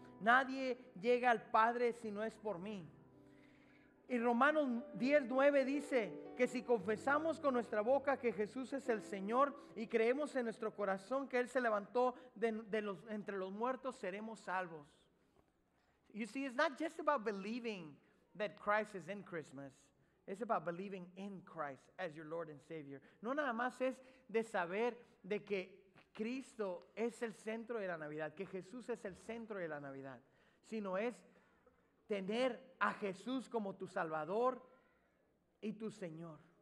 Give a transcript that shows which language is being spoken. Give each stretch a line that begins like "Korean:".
Spanish: Nadie llega al Padre si no es por mí. Y Romanos 10:9 dice que si confesamos con nuestra boca que Jesús es el Señor y creemos en nuestro corazón que Él se levantó entre los muertos, seremos salvos.
English: You see, it's not just about believing that Christ is in Christmas. It's about believing in Christ as your Lord and Savior.
Spanish: No nada más es de saber de que Cristo es el centro de la Navidad, que Jesús es el centro de la Navidad, sino es tener a Jesús como tu Salvador y tu Señor.